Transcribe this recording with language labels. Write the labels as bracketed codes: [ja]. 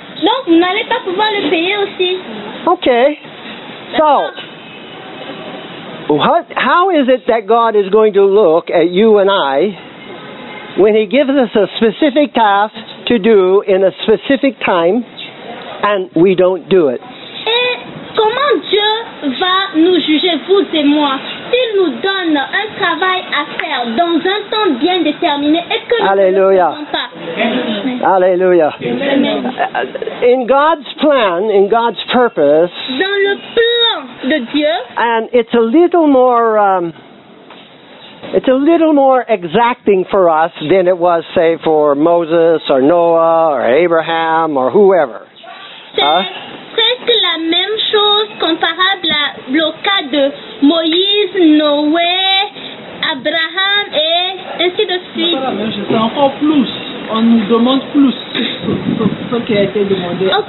[fr] Non, vous n'allez pas pouvoir le payer aussi. [en] Okay. [fr] D'accord. [en] So, how is it that God is going to look at you and I when he gives us a specific task to do in a specific time and we don't do it? [fr] Et comment Dieu va nous juger, vous et moi, s'il nous donne un travail à faire dans un temps bien déterminé et que nous ne le faisons pas? Alléluia. Amen. [en] In God's plan, in God's purpose, [fr] dans le plan de Dieu, [en] and it's a little more exacting for us than it was, say, for Moses or Noah or Abraham or whoever. [fr] C'est presque la même chose comparable à le cas de Moïse, Noé, Abraham et ainsi de suite. C'est encore plus. On nous demande plus que ce qui a été demandé.